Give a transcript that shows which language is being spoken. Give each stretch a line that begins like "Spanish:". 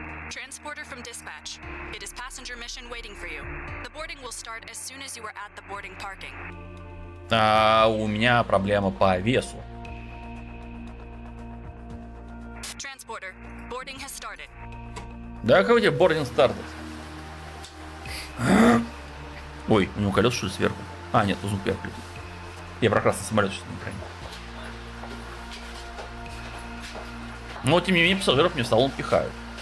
English: Transporter from dispatch. It is passenger mission waiting for you. The boarding will start as soon as you are at the boarding parking.
Russian: А у меня проблема по весу.
English: Transporter, boarding has started.
Russian: Да, как у тебя
English: boarding started?
Russian: Ой, у него колеса что ли сверху? А, нет, тут звук пиар. Я про красный самолет сейчас не понял. Но, тем не менее, пассажиров мне в салон пихают.